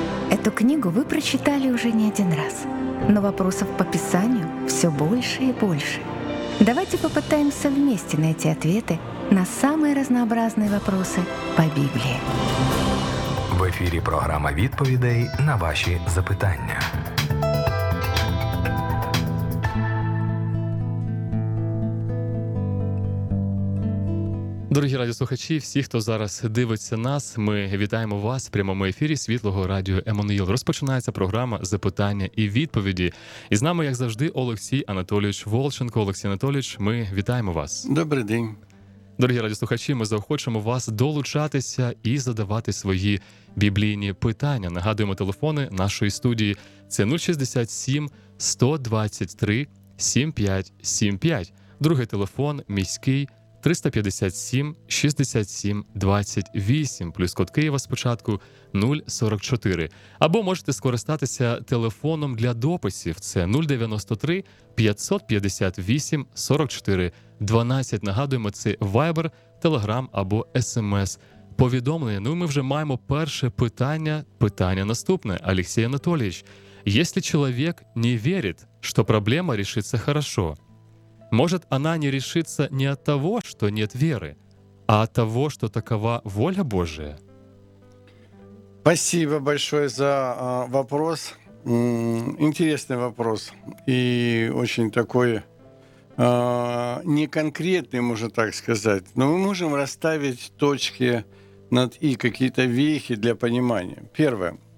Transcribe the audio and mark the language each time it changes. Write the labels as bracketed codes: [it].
[ru] Эту книгу вы прочитали уже не один раз, но вопросов по Писанию все больше и больше. Давайте попытаемся вместе найти ответы на самые разнообразные вопросы по Библии. В эфире программа [uk] «Відповідей» [ru] на ваши [uk] запитання. Дорогі радіослухачі, всі, хто зараз дивиться нас, ми вітаємо вас в прямому ефірі Світлого радіо Еммануїл. Розпочинається програма «Запитання і відповіді». І з нами, як завжди, Олексій Анатолійович Волченко. Олексій Анатолійович, ми вітаємо вас. Добрий день. Дорогі радіослухачі, ми заохочуємо вас долучатися і задавати свої біблійні питання. Нагадуємо, телефони нашої студії – це 067-123-7575. Другий телефон – міський 357-67-28, плюс код Києва спочатку 044. Або можете скористатися телефоном для дописів. Це 093-558-44-12. Нагадуємо, це Viber, Telegram або SMS-повідомлення. Ну і ми вже маємо перше питання. Питання наступне. [ru] Олексій Анатолійович, [uk] якщо чоловік не вірить, що проблема рішиться [ru] хорошо, может, она не решится не от того, что нет веры, а от того, что такова воля Божия? Спасибо большое за вопрос. Интересный вопрос. И очень такой неконкретный, можно так сказать. Но мы можем расставить точки над «и», какие-то вехи для понимания. Первое.